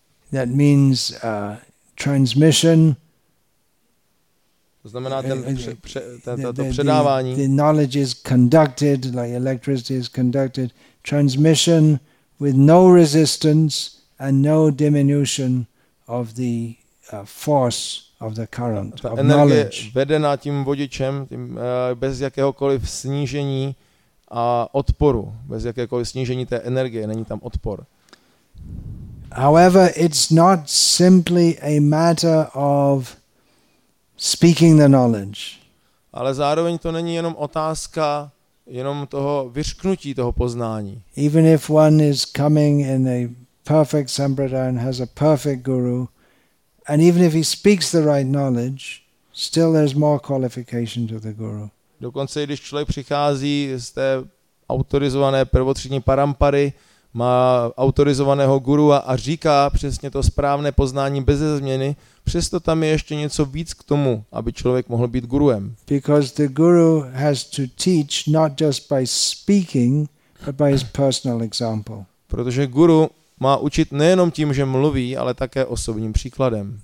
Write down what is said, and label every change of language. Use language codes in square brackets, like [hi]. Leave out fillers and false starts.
[en] That means transmission. [cs] To znamená to předávání. [en] The knowledge is conducted, like electricity is conducted. Transmission with no resistance and no diminution of the force of the current, ta of knowledge. [cs] Vedená tím vodičem, tím, bez jakéhokoliv snížení a odporu, bez jakéhokoliv snížení té energie, není tam odpor. [en] However, it's not simply a matter of speaking the knowledge. [cs] Ale zároveň to není jenom otázka jenom toho vyřknutí toho poznání. [en] Even if one is coming in a perfect sampradaya and has a perfect guru, and even if he speaks the right knowledge, still there's more qualification to the guru. [cs] Dokonce když člověk přichází z té autorizované prvotřídní parampary, má autorizovaného guru a říká přesně to správné poznání bez změny, přesto tam je ještě něco víc k tomu, aby člověk mohl být guruem. [en] Because the guru has to teach not just by speaking, but by his personal example. [cs] Protože guru má učit nejenom tím, že mluví, ale také osobním příkladem.